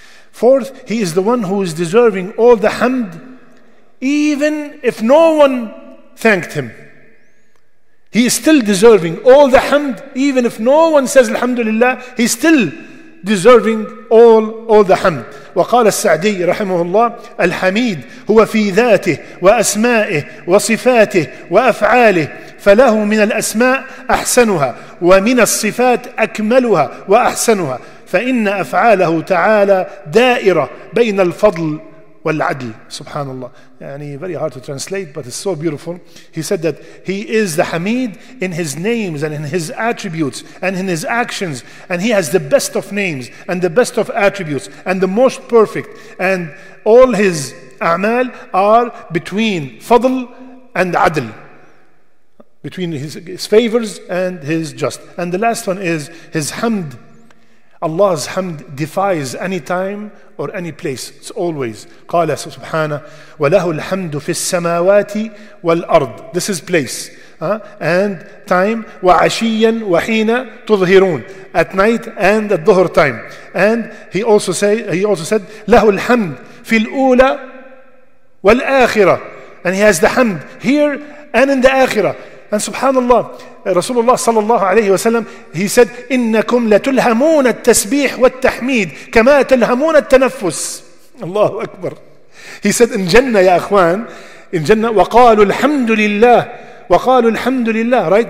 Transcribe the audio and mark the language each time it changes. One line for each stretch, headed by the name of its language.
English: Fourth, he is the one who is deserving all the hamd, even if no one thanked him. He is still deserving all the hamd, even if no one says alhamdulillah, he's still deserving all the hamd.
Arabic: وقال السعدي رحمه الله الحميد هو في ذاته وأسمائه وصفاته وأفعاله فله من الأسماء أحسنها ومن الصفات أكملها وأحسنها فإن أفعاله تعالى دائرة بين الفضل والعدل. سبحان الله.
English: يعني very hard to translate, but it's so beautiful. He said that he is the Hamid in his names and in his attributes and in his actions, and he has the best of names and the best of attributes and the most perfect, and all his a'mal are between fadl and adl, between his favors and his just. And the last one is his hamd. Allah's hamd defies any time or any place. It's always.
Arabic: قال سبحانه وله الحمد في السماوات والأرض.
English: This is place and time.
Arabic: وعشيا وحين تظهرون.
English: At night and at dhuhr time. And he also said
Arabic: له الحمد في الأولى والآخرة.
English: And he has the hamd here and in the آخرة. And subhanallah, Rasulullah sallallahu alayhi wa sallam, he said,
Arabic: إِنَّكُمْ لَتُلْهَمُونَ التَّسْبِيحُ وَالتَّحْمِيدُ كَمَا تَلْهَمُونَ التَّنَفُّسُ. الله أكبر.
English: He said, in Jannah, ya akhwan, in Jannah,
Arabic: وَقَالُوا الْحَمْدُ لِلَّهِ وَقَالُوا الْحَمْدُ لِلَّهِ.
English: Right?